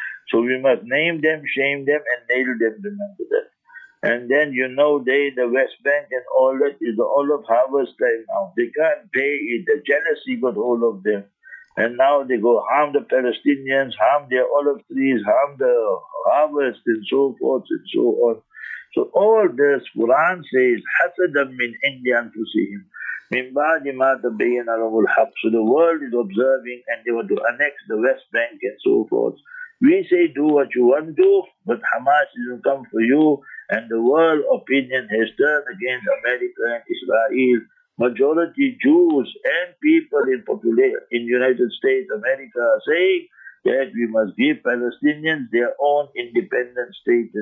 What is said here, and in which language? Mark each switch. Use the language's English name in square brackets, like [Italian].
[English] So we must name them, shame them, and nail them, remember that. And then you know they, the West Bank and all that, is all of harvest time now. They can't pay it, the jealousy got hold of them. And now they go harm the Palestinians, harm their olive trees, harm the harvest and so forth and so on. So all this Quran says, [Arabic] حَسَدًا مِنْ عِنْدِ أَنْفُسِهِمْ مِنْ بَعْدِ مَا تَبَيَّنَ لَهُمُ الْحَقِّ. [English] So the world is observing and they want to annex the West Bank and so forth. We say do what you want to, but Hamas isn't come for you, and the world opinion has turned against America and Israel. Majority Jews and people in population in United States, America are saying that we must give Palestinians their own independent state.